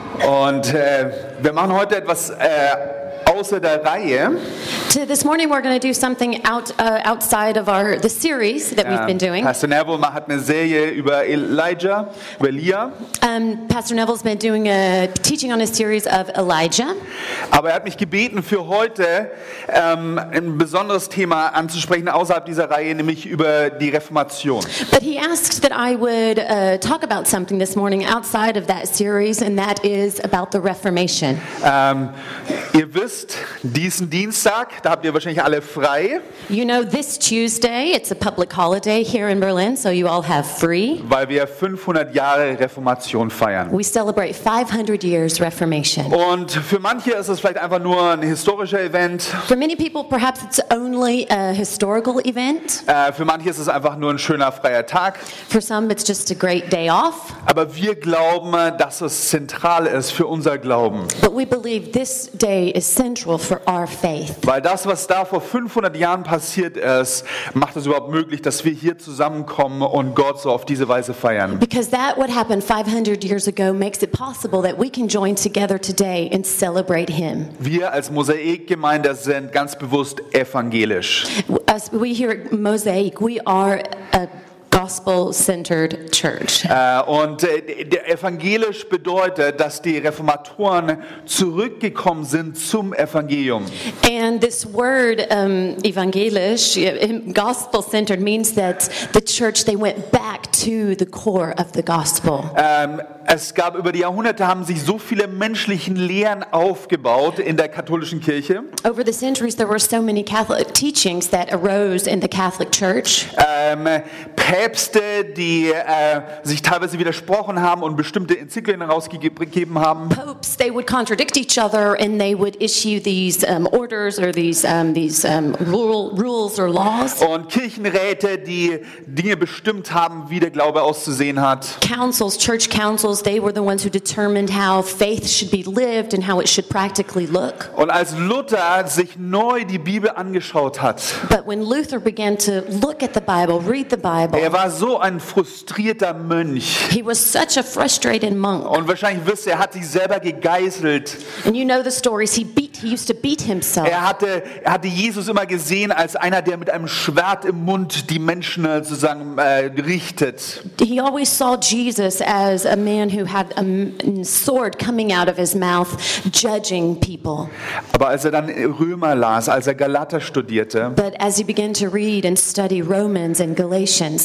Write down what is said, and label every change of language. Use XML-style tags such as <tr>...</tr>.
<de>Und wir machen heute etwas außer der Reihe.</de> <en>This morning we're going to do something outside of the series that we've been doing.</en> <de>Pastor Neville hat eine Serie über Elijah, über Elia.</de> <en>Pastor Neville's been doing a teaching on a series of Elijah.</en> <de>Aber er hat mich gebeten, für heute ein besonderes Thema anzusprechen außerhalb dieser Reihe, nämlich über die Reformation.</de> <en>But he asked that I would talk about something this morning outside of that series, and that is about the Reformation.</en> <de>Ihr wisst, diesen Dienstag, da habt ihr wahrscheinlich alle frei.</de> <en>You know, this Tuesday, it's a public holiday here in Berlin, so you all have free.</en> <de>Weil wir 500 Jahre Reformation feiern.</de> <en>We celebrate 500 years Reformation.</en> <de>Und für manche ist es vielleicht einfach nur ein historischer Event.</de> <en>For many people, perhaps it's only a historical event.</en> <de>Für manche ist es einfach nur ein schöner freier Tag.</de> <en>For some, it's just a great day off.</en> <de>Aber wir glauben, dass es zentral ist für unser Glauben.</de> <en>But we believe this day is central for our faith.</en> <de>Weil das, was da vor 500 Jahren passiert ist, macht es überhaupt möglich, dass wir hier zusammenkommen und Gott so auf diese Weise feiern.</de> <en>Because that what happened 500 years ago makes it possible that we can join together today and celebrate him.</en> <de>Wir als Mosaikgemeinde sind ganz bewusst evangelisch.</de> <en>As we here at Mosaic, we are a gospel-centered church.</en> <de>Evangelisch bedeutet, dass die Reformatoren zurückgekommen sind zum Evangelium.</de> <en>And this word evangelisch, gospel-centered, means that the church, they went back to the core of the gospel.</en> <de>Es gab über die Jahrhunderte haben sich so viele menschlichen Lehren aufgebaut in der katholischen Kirche.</de> <en>Over the centuries there were so many Catholic teachings that arose in the Catholic Church.</en> <de>Päpste, die sich teilweise widersprochen haben und bestimmte Enzyklen herausgegeben haben.</de> <en>Popes, they would contradict each other and they would issue these orders or rules or laws.</en> <de>Und Kirchenräte, die Dinge bestimmt haben, wie der Glaube auszusehen hat.</de> <en>Councils, church councils. They were the ones who determined how faith should be lived and how it should practically look.</en> <de>Und als Luther sich neu die Bibel angeschaut hat.</de> <en>But when Luther began to look at the Bible, read the Bible.</en> <de>Er war so ein frustrierter Mönch.</de> <en>He was such a frustrated monk.</en> <de>Und wahrscheinlich wisst ihr, er hat sich selber gegeißelt.</de> <en>And you know the stories. He used to beat himself.</en> <de>Er hatte Jesus immer gesehen als einer, der mit einem Schwert im Mund die Menschen sozusagen richtet.</de> <en>He always saw Jesus as a man who had a sword coming out of his mouth, judging people.</en> <de>Aber als er dann Römer las, als er Galater studierte,</de> <en>but as he began to read and study Romans and Galatians,</en>